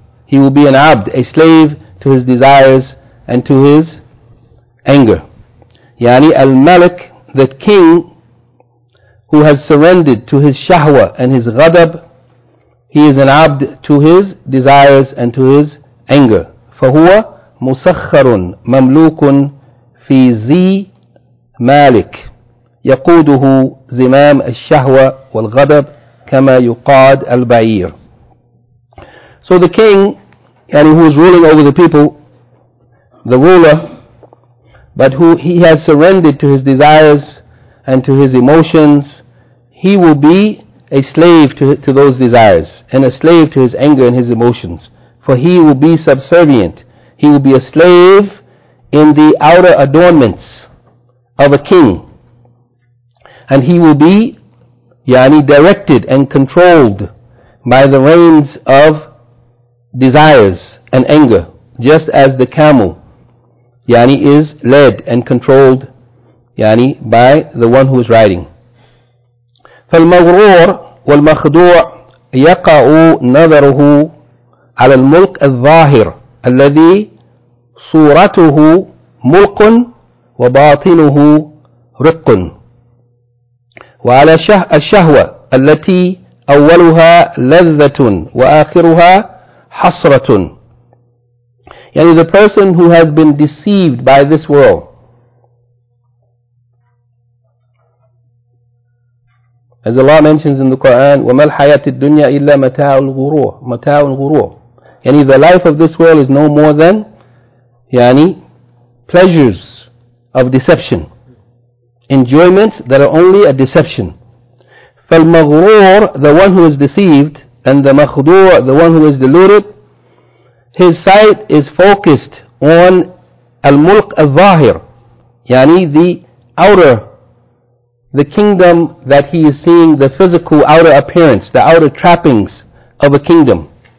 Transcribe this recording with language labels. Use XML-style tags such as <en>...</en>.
<en>He will be an abd, a slave to his desires and to his anger. Yani al-malik, the king who has surrendered to his shahwa and his ghadab, he is an abd to his desires and to his anger.</en> <ar>فَهُوَ مُسَخَّرٌ مَمْلُوكٌ فِي زِي مَالِكٌ يقوده زمام الشهوة والغضب كما يقاد البعير.</ar> <en>So the king, and who is ruling over the people, the ruler, but who he has surrendered to his desires and to his emotions, he will be a slave to those desires and a slave to his anger and his emotions. For he will be subservient. He will be a slave in the outer adornments of a king. And he will be, yani, directed and controlled by the reins of desires and anger, just as the camel, yani, is led and controlled, yani, by the one who is riding.</en> <ar>فالمغرور والمخدوع يقع نظره على الملك الظاهر الذي صورته ملك وباطنه رق. وعلى الشهوة التي أولها لذة وآخرها حسرة</ar> <en>Yani the person who has been deceived by this world. As Allah mentions in the Quran,</en> <ar>وَمَا الْحَيَاةِ الدُّنْيَا إِلَّا مَتَاعُ الْغُرُورِ مَتَاعُ الْغُرُورِ.</ar> <en>Yani the life of this world is no more than yani pleasures of deception. Enjoyments that are only a deception. فَالْمَغْرُورِ, the one who is deceived, and the مَخْدُورِ, the one who is deluded, his sight is focused on al-mulk al-zahir, yani the outer, the kingdom that he is seeing, the physical outer appearance, the outer trappings of a kingdom.</en>